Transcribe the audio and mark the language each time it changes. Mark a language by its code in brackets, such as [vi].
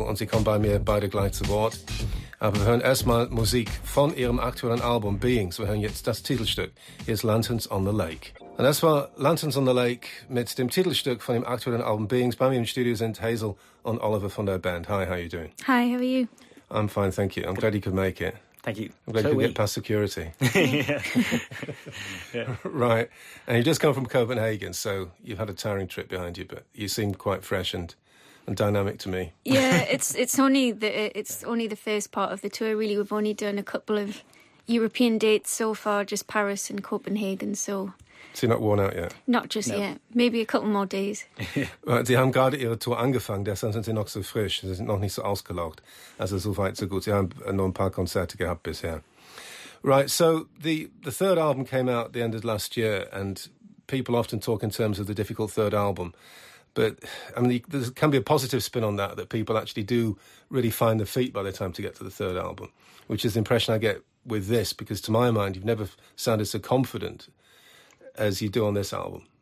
[de] Und sie kommen bei mir beide gleich zu Wort. Aber wir hören erstmal Musik von ihrem aktuellen Album Beings. Wir hören jetzt das Titelstück. Hier ist Lanterns on the Lake. Und das war Lanterns on the Lake mit dem Titelstück von dem aktuellen Album Beings. Bei mir im Studio sind Hazel und Oliver von der Band. [en] Hi, how are you doing? Hi, how are you? I'm fine, thank you. I'm glad you could make it. Thank you. I'm glad you could get past security. Yeah. Right. And you've just come from Copenhagen, so you've had a tiring trip behind you, but you seem quite fresh and dynamic to me. Yeah, it's only the first part of the tour, really. We've only done a couple of European dates so far, just Paris and Copenhagen, so... So you're not worn out yet? Not just yet. Maybe a couple more days. [de] Sie haben gerade Ihre Tour angefangen, deshalb sind Sie noch so frisch. Sie sind noch nicht so ausgelaugt. Also so weit, so gut. Sie haben nur ein paar Konzerte gehabt bisher. [en] Right, so the third album came out at the end of last year, and people often talk in terms of the difficult third album. But, I mean, there can be a positive spin on that, that people actually do really find their feet by the time to get to the third album, which is the impression I get with this, because to my mind, you've never sounded so confident as you do on this album.